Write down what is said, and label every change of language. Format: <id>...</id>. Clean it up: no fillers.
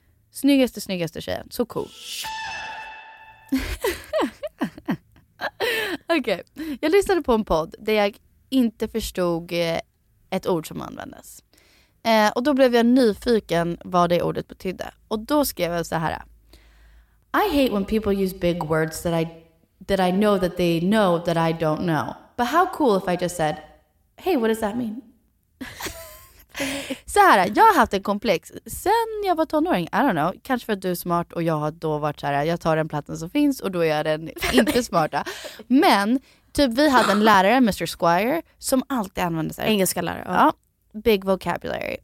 <sv>Snyggaste tjejen. Så cool. Okej. Jag lyssnade på en podd där jag inte förstod ett ord som användes. Och då blev jag nyfiken vad det ordet betydde. Och då skrev jag så här:</sv> <en>I hate when people use big words that I know that they know that I don't know. But how cool if I just said, hey, what does that mean?</en> <sv>Så här, jag har haft en komplex sen jag var tonåring,</sv> <en>I don't know.</en> <sv>Kanske för att du är smart och jag har då varit så här, jag tar den platten som finns och då är jag den inte smarta. Men typ vi hade en lärare, Mr. Squire, som alltid använde sig engelska lärare.</sv> <en>Ja, big vocabulary.</en>